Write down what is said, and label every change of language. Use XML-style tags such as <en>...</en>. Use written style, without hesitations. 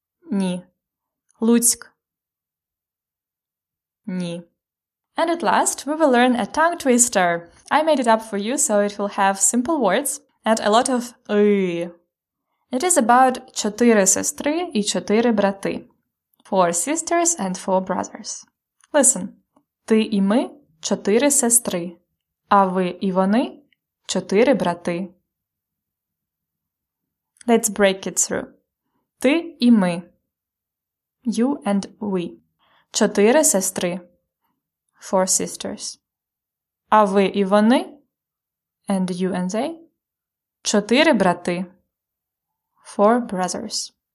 <uk>Ні. Луцьк. Ні.</uk> <en>And at last, we will learn a tongue twister. I made it up for you so it will have simple words and a lot of «ый». It is about</en> <uk>«чотири сестри і чотири брати»</uk> <en>– four sisters and four brothers. Listen.</en> <uk>«Ти і ми – чотири сестри, а ви і вони – чотири брати».</uk> <en>Let's break it through.</en> <uk>«Ти і ми»</uk> <en>– you and we.</en> <uk>«Чотири сестри»</uk> <en>– four sisters.</en> <uk>«А ви і вони»</uk> <en>– and you and they.</en> <uk>«Чотири брати»</uk> <en>– four brothers.</en>